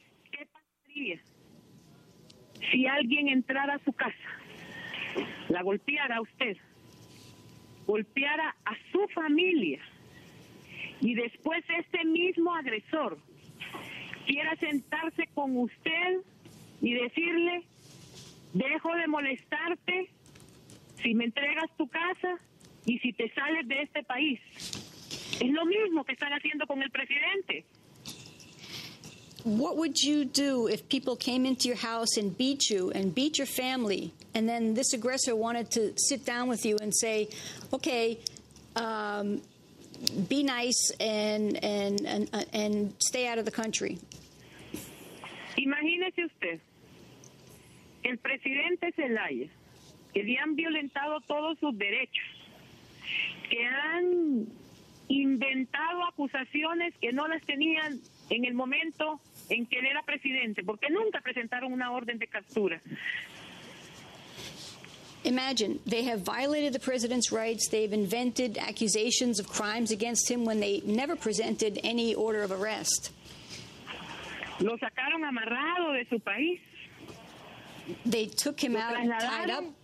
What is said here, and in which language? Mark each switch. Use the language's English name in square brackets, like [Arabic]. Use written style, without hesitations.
[Spanish] ¿Qué pasaría si alguien entrara a su casa, la golpeara a usted, golpeara a su familia, y después este mismo agresor quiera sentarse con usted y decirle, dejo de molestarte si me entregas tu casa y si te sales de este país? Es lo mismo que están haciendo con el presidente. [English] What would you do if people came into your house and beat you and beat your family, and then this aggressor wanted to sit down with you and say, okay, be nice and stay out of the country? [Spanish] Imagínese usted, el presidente Zelaya, que le han violentado todos sus derechos, que han inventado acusaciones que no las tenían en el momento en que él era presidente, porque nunca presentaron una orden de captura. [English] Imagine, they have violated the president's rights, they've invented accusations of crimes against him when they never presented any order of arrest. [Spanish] Lo sacaron amarrado de su país. [English] They took him out and tied up.